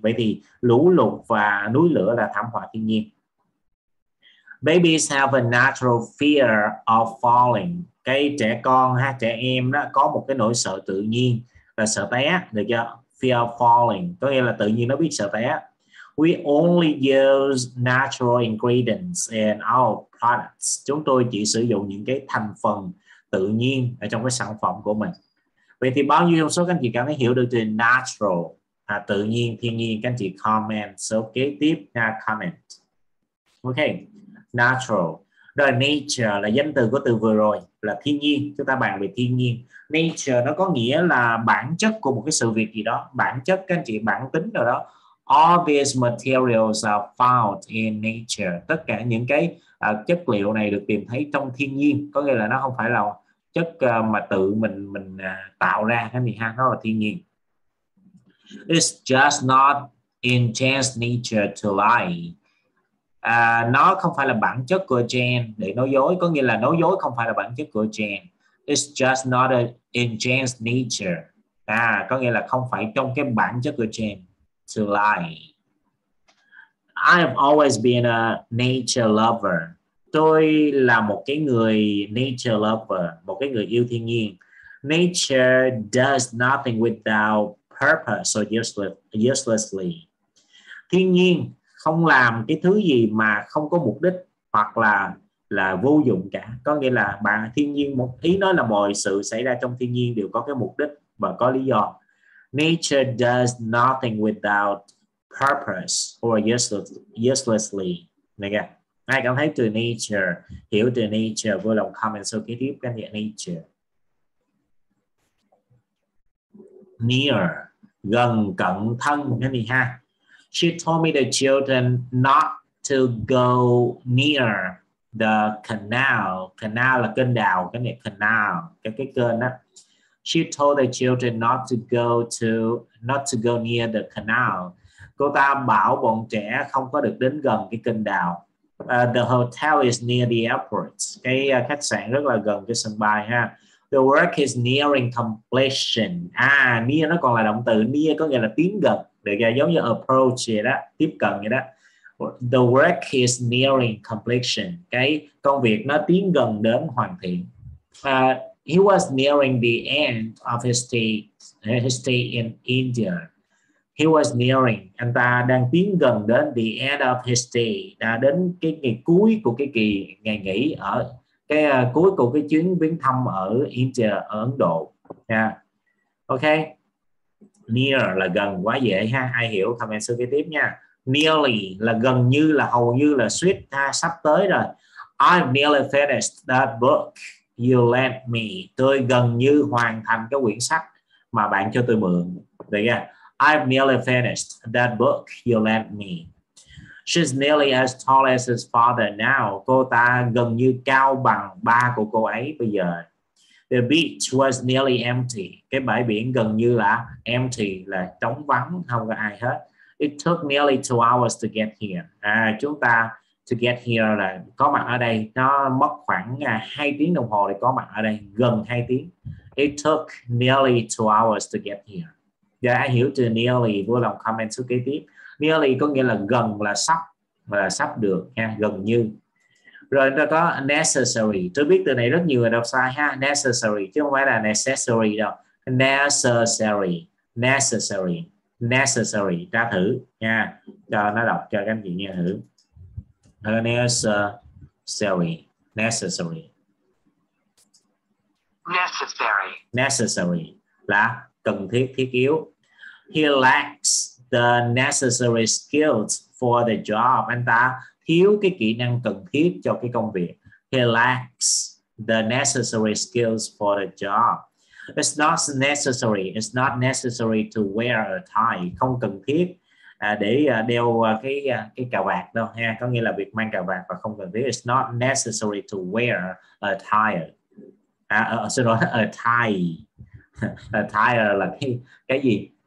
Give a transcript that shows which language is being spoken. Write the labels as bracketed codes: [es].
[vi] Vậy thì lũ lụt và núi lửa là thảm họa thiên nhiên. [en] Babies have a natural fear of falling. [vi] Cái trẻ con ha, trẻ em đó có một cái nỗi sợ tự nhiên là sợ té, được chưa? [en] Fear of falling, [vi] có nghĩa là tự nhiên nó biết sợ té. [en] We only use natural ingredients in our products. [vi] Chúng tôi chỉ sử dụng những cái thành phần tự nhiên ở trong cái sản phẩm của mình. Vậy thì bao nhiêu trong số các anh chị cảm thấy hiểu được từ natural, tự nhiên, thiên nhiên, các anh chị comment số kế tiếp nha, comment. Ok, natural. Rồi nature là danh từ của từ vừa rồi, là thiên nhiên, chúng ta bàn về thiên nhiên. Nature nó có nghĩa là bản chất của một cái sự việc gì đó, bản chất các anh chị, bản tính nào đó. [en] All these materials are found in nature. [vi] Tất cả những cái chất liệu này được tìm thấy trong thiên nhiên, có nghĩa là nó không phải là chất mà tự mình tạo ra cái gì ha, nó là thiên nhiên. [en] It's just not in chance nature to lie. [vi] Nó không phải là bản chất của gen để nói dối, có nghĩa là nói dối không phải là bản chất của gen. [en] It's just not in gen's nature. [vi] Có nghĩa là không phải trong cái bản chất của gen [en] to lie. I have always been a nature lover. [vi] Tôi là một cái người nature lover, một cái người yêu thiên nhiên. [en] Nature does nothing without purpose or uselessly. [vi] Thiên nhiên không làm cái thứ gì mà không có mục đích hoặc là vô dụng cả. Có nghĩa là bạn thiên nhiên, một ý nói là mọi sự xảy ra trong thiên nhiên đều có cái mục đích và có lý do. [en] Nature does nothing without purpose or uselessly. [vi] Ai cảm thấy từ nature, hiểu từ nature, vui lòng comment số kế tiếp, cái nghĩa nature. near, gần cận thân cái gì ha. [en] She told me the children not to go near the canal. [vi] Canal là kênh đào, cái này canal, cái kênh đó. [en] She told the children not to go near the canal. [vi] Cô ta bảo bọn trẻ không có được đến gần cái kênh đào. [en] The hotel is near the airport. [vi] Cái khách sạn rất là gần cái sân bay ha. [en] The work is nearing completion. Near [vi] nó còn là động từ. Near có nghĩa là tiến gần. Được rồi, giống như approach vậy đó, tiếp cận vậy đó. [en] The work is nearing completion. [vi] Cái công việc nó tiến gần đến hoàn thiện. [en] He was nearing the end of his stay in India. He was nearing, [vi] anh ta đang tiến gần đến [en] the end of his stay, [vi] đã đến cái ngày cuối của cái kỳ ngày nghỉ ở cái cuối của cái chuyến viếng thăm ở India, ở Ấn Độ. Yeah. Ok, near là gần, quá dễ ha, ai hiểu comment sư kế tiếp nha. Nearly là gần như, là hầu như, là suýt ha, sắp tới rồi. [en] I've nearly finished that book you lent me. [vi] Tôi gần như hoàn thành cái quyển sách mà bạn cho tôi mượn. Được chưa? [en] I've nearly finished that book you lent me. She's nearly as tall as his father now. [vi] Cô ta gần như cao bằng ba của cô ấy bây giờ. [en] The beach was nearly empty. [vi] Cái bãi biển gần như là empty, là trống vắng, không có ai hết. [en] It took nearly 2 hours to get here. [vi] Chúng ta [en] to get here [vi] là có mặt ở đây, nó mất khoảng 2 tiếng đồng hồ để có mặt ở đây, gần 2 tiếng. [en] It took nearly 2 hours to get here. [vi] Dạ, ai hiểu từ nearly, vui lòng comment số kế tiếp. Nearly có nghĩa là gần, là sắp được, nha, gần như. Rồi chúng ta có necessary. Tôi biết từ này rất nhiều người đọc sai ha. Necessary, chứ không phải là necessary đâu. Necessary, necessary, necessary. Tra thử, nha. Cho nó đọc cho các anh chị nghe thử. [en] Necessary, necessary. Necessary. [vi] Necessary là cần thiết, thiết yếu. [en] He lacks the necessary skills for the job. [vi] Anh ta thiếu cái kỹ năng cần thiết cho cái công việc. [en] He lacks the necessary skills for the job. It's not necessary. It's not necessary to wear a tie. [vi] Không cần thiết để đeo cái cà vạt đâu ha. Có nghĩa là việc mang cà vạt và không cần thiết. [en] It's not necessary to wear a tie. [vi] A tie là cái gì?